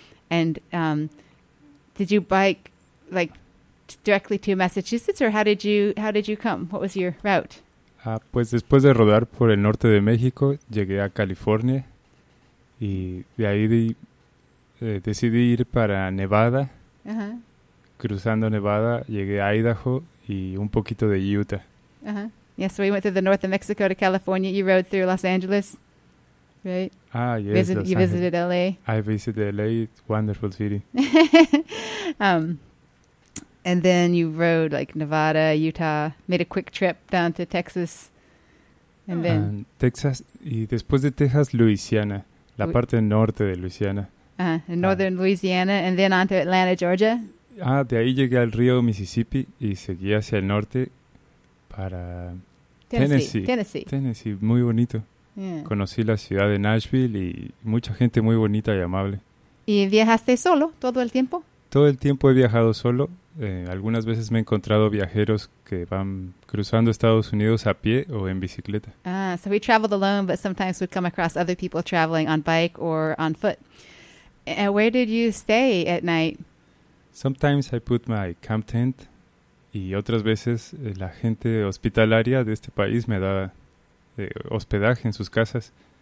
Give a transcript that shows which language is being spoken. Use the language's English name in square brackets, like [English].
[English] And did you bike like directly to Massachusetts, or how did you come? What was your route? [Spanish] Pues después de rodar por el norte de México, llegué a California, y de ahí decidí ir para Nevada. Uh-huh. Cruzando Nevada, llegué a Idaho y un poquito de Utah. [English] Uh-huh. Yeah, so we went through the north of Mexico to California. You rode through Los Angeles? right? Ah, yes. You visited L.A.? I visited L.A., wonderful city. And then you rode, like, Nevada, Utah, made a quick trip down to Texas, and then... [Spanish] Texas, y después de Texas, Louisiana, la parte norte de Louisiana. [English] In northern Louisiana, and then on to Atlanta, Georgia. [Spanish] Ah, de ahí llegué al río Mississippi y seguí hacia el norte para Tennessee, muy bonito. [English] Yeah. [Spanish] Conocí la ciudad de Nashville y mucha gente muy bonita y amable. ¿Y viajaste solo todo el tiempo? Todo el tiempo he viajado solo. Algunas veces me he encontrado viajeros que van cruzando Estados Unidos a pie o en bicicleta. [English] Ah, so we traveled alone, but sometimes we'd come across other people traveling on bike or on foot. And where did you stay at night? Sometimes I put my camp tent, [Spanish] y otras veces la gente hospitalaria de este país me da hospedaje en sus casas.